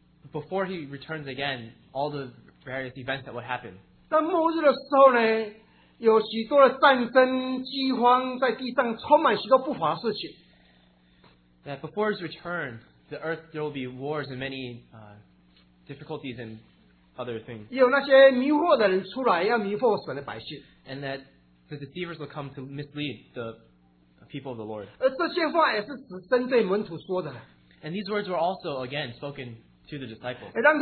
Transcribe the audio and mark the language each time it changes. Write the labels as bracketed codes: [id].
[en] Before he returns again, all the various events that would happen. [zh] 当末日的时候呢，有许多的战争、饥荒在地上，充满许多不法的事情. [en] That before his return, the earth there will be wars and many difficulties and other things. [zh] 有那些迷惑的人出来，要迷惑神的百姓. [en] And that the deceivers will come to mislead the people of the Lord. [zh] 而这些话也是只针对门徒说的. [en] And these words were also again spoken to the disciples.